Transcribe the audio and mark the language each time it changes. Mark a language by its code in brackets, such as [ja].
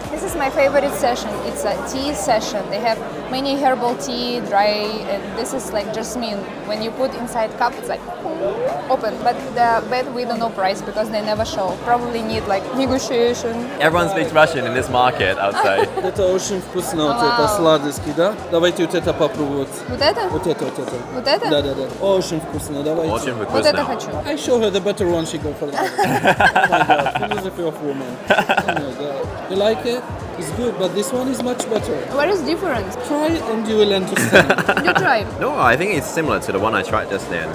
[en] This is my favorite session. It's a tea session. They have many herbal tea, dry, and this is like jasmine. When you put inside cup, it's like open. But the bed, we don't know price because they never show. Probably need like negotiation. Everyone speaks Russian in this market, I would say. [ru] Это очень вкусно, вот это сладости, да? Давайте вот это попробовать. Вот это? Вот это, вот это. Вот это? Да, да, да. Очень вкусно, давайте. Очень вкусно. Вот это хочу. [en] I show her the better one, she go for that. Philosophy of woman. You like it? It's good, but this one is much better. What is the difference? Try and you will understand. You try. No, I think it's similar to the one I tried just then.